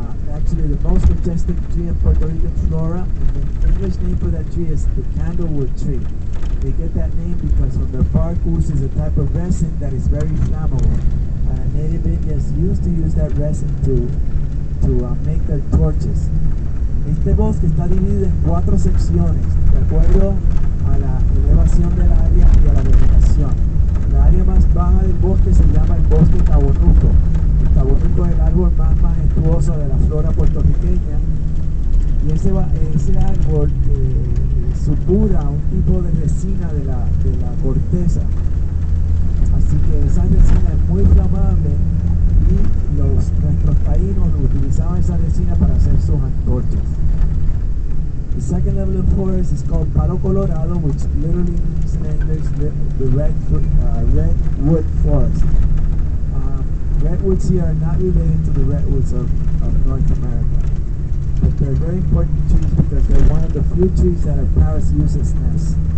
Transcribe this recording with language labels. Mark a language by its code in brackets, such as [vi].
[en] Actually, the most majestic tree in Puerto Rican flora, and the English name for that tree is the candlewood tree. They get that name because from their bark oozes a type of resin that is very flammable. Native Indians used to use that resin to make their torches. [es] Este bosque está dividido en cuatro secciones, de acuerdo a la elevación del área y a la vegetación. La área más baja del bosque se llama el bosque Tabonuco. El Tabonuco es el árbol más majestuoso de la flora puertorriqueña. Y ese árbol supura un tipo de resina de la corteza. Así que esa resina es muy flamable y nuestros taínos utilizaban esa resina para hacer sus antorchas. [en] The second level of forest is called Palo Colorado, which literally means in English the redwood forest. Redwoods here are not related to the redwoods of North America, but they're very important trees because they're one of the few trees that a parrot uses nests.